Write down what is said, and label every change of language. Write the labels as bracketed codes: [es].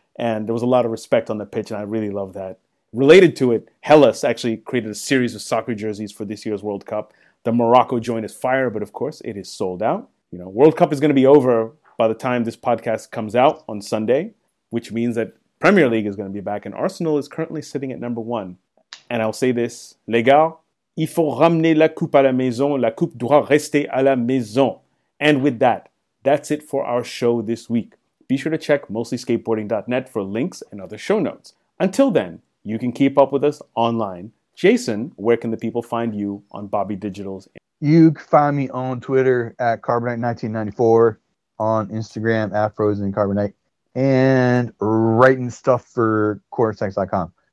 [en] And there was a lot of respect on the pitch, and I really love that. Related to it, Hellas actually created a series of soccer jerseys for this year's World Cup. The Morocco joint is fire, but of course, it is sold out. You know, World Cup is going to be over by the time this podcast comes out on Sunday, which means that Premier League is going to be back, and Arsenal is currently sitting at number one. And I'll say this, [fr] les gars, il faut ramener la coupe à la maison, la coupe doit rester à la maison. [en] And with that, that's it for our show this week. Be sure to check mostlyskateboarding.net for links and other show notes. Until then, you can keep up with us online. Jason, where can the people find you on Bobby Digital's? You can find me on Twitter at Carbonite1994, on Instagram at FrozenCarbonite, and writing stuff for CoreTex.com.